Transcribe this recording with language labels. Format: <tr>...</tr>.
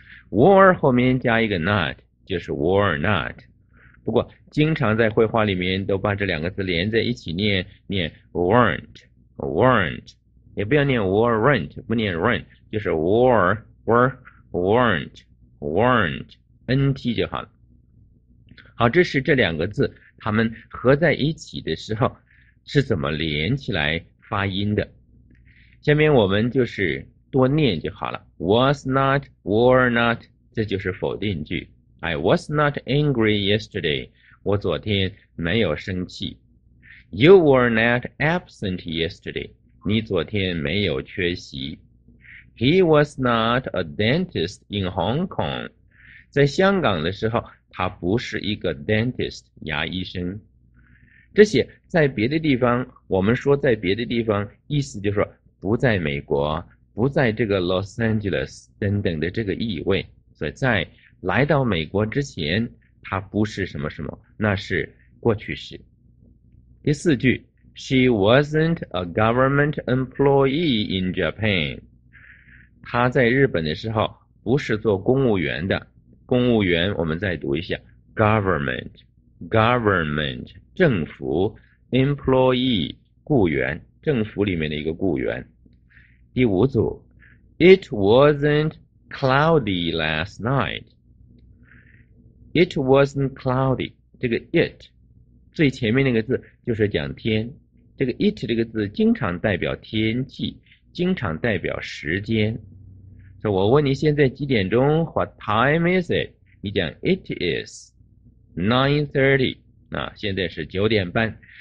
<zh>were 后面加一个 not 就是</zh> <en>were not，</en> <zh>不过经常在绘画里面都把这两个字连在一起念，念 weren't, weren't， 也不要念 weren't， 不念 weren't， 就是</zh> <en>were, were, weren't。 Weren't, NT</en> <zh>就好了。好，这是这两个字，它们合在一起的时候，是怎么连起来发音的？下面我们就是多念就好了。</zh> <en>Was not, were not,</en> <zh>这就是否定句。</zh> <en>I was not angry yesterday,</en> <zh>我昨天没有生气。</zh> <en>You were not absent yesterday,</en> <zh>你昨天没有缺席。</zh> <en>He was not a dentist in Hong Kong.</en> <zh>在香港的时候，他不是一个 dentist, 牙医生。这些在别的地方，我们说在别的地方，意思就是说不在美国，不在这个 Los Angeles 等等的这个意味。所以在来到美国之前，他不是什么什么，那是过去式。第四句，</zh> <en>She wasn't a government employee in Japan.</en> <zh>他在日本的时候不是做公务员的，公务员我们再读一下</zh> <en>government, government,</en> <zh>政府 employee, 雇员，政府里面的一个雇员。第五组，</zh> <en>It wasn't cloudy last night. It wasn't cloudy,</en> <zh>这个 it, 最前面那个字就是讲天，这个 it 这个字经常代表天气，经常代表时间。所以我问你现在几点钟 ？</zh> <en>What time is it？</en> <zh>你讲</zh> <en>It is 9:30</en> <zh>啊，现在是九点半。</zh>